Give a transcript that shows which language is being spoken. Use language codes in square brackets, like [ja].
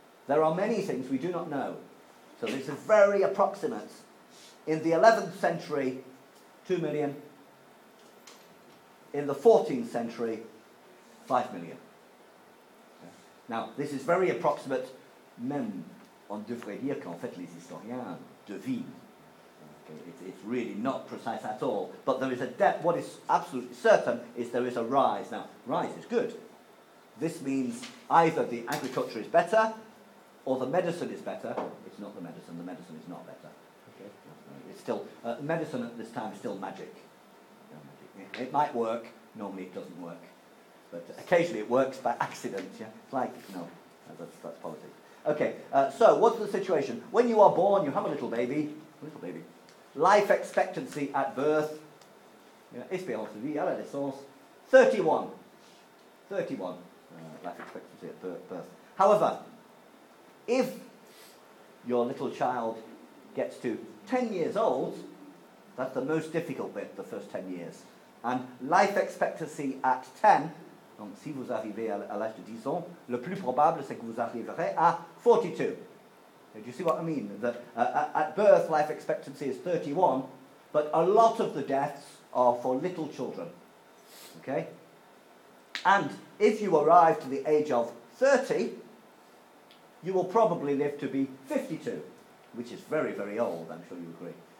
[en] There are many things we do not know. So this is very approximate. In the 11th century, 2 million. In the 14th century, 5 million. Now, this is very approximate. [fr] Même on devrait dire qu'en fait les historiens devinent. [en] It's really not precise at all. But there is a depth. What is absolutely certain is there is a rise. Now, rise is good. This means either the agriculture is better or the medicine is better. It's not the medicine. The medicine is not better. Okay. It's still medicine at this time is still magic. It might work. Normally it doesn't work. But occasionally it works by accident, yeah? It's like, no, that's politics. Okay, so what's the situation? When you are born, you have a little baby. Life expectancy at birth, [fr] espérance de vie à la naissance, [en] 31. 31, life expectancy at birth. However, if your little child gets to 10 years old, that's the most difficult bit, the first 10 years. And life expectancy at 10... [fr] Donc, si vous arrivez à l'âge de 10 ans, le plus probable, c'est que vous arriverez à 42. [en] Do you see what I mean? That at birth, life expectancy is 31, but a lot of the deaths are for little children. Okay? And if you arrive to the age of 30, you will probably live to be 52, which is very, very old, I'm sure you agree.